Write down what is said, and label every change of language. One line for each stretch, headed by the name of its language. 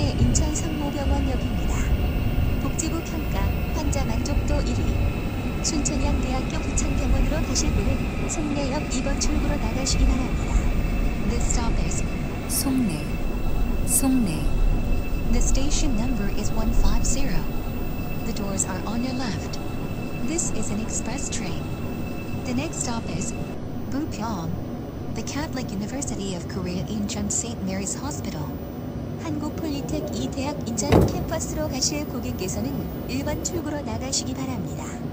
Korean: 인천성모병원역입니다. 복지부 평가 환자 만족도 1위. 순천향대학교 부천병원으로 가실 분은 송내역 2번 출구로 나가시기 바랍니다.
English: The stop is 송내. 송내. The station number is 150. The doors are on your left. This is an express train. The next stop is Bupyeong. The Catholic University of Korea Incheon St. Mary's Hospital.
Korean: 한국폴리텍 이 대학 인천 캠퍼스로 가실 고객께서는 1번 출구로 나가시기 바랍니다.